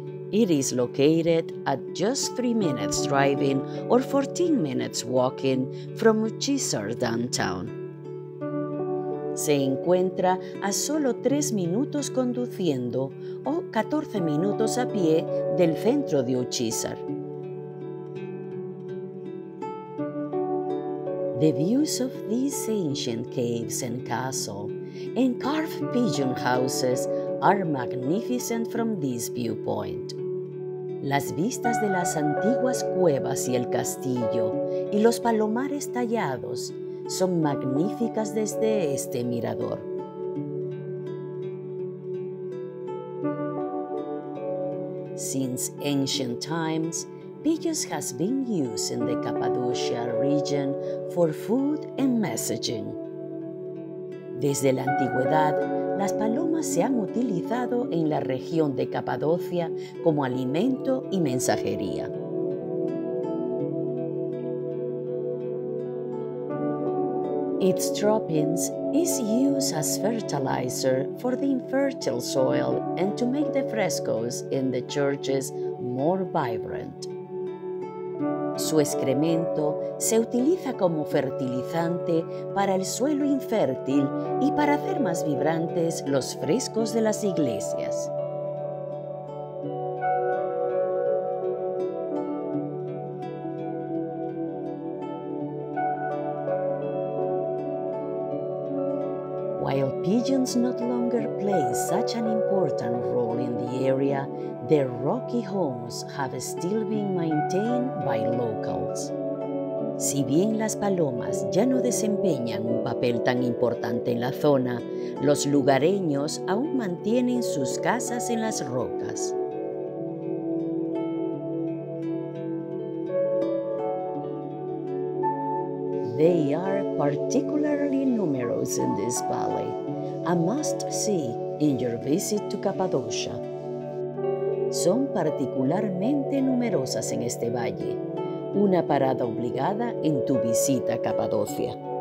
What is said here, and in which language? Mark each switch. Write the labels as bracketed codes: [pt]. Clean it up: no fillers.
[en] It is located at just 3 minutes driving or 14 minutes walking from Uchizar downtown. [es] Se encuentra a solo 3 minutos conduciendo o 14 minutos a pie del centro de Uchizar. [en] The views of these ancient caves and castle and carved pigeon houses are magnificent from this viewpoint. [es] Las vistas de las antiguas cuevas y el castillo y los palomares tallados son magníficas desde este mirador. [en] Since ancient times, pigeons has been used in the Cappadocia region for food and messaging. [es] Desde la antigüedad, las palomas se han utilizado en la región de Cappadocia como alimento y mensajería. [en] Its droppings is used as fertilizer for the infertile soil and to make the frescoes in the churches more vibrant. [es] Su excremento se utiliza como fertilizante para el suelo infértil y para hacer más vibrantes los frescos de las iglesias. [en] While pigeons no longer play such an important role in the area, their rocky homes have still been maintained by locals. [es] Si bien las palomas ya no desempeñan un papel tan importante en la zona, los lugareños aún mantienen sus casas en las rocas. [en] They are particularly numerous in this valley, a must-see in your visit to Cappadocia. [es] Son particularmente numerosas en este valle, una parada obligada en tu visita a Cappadocia.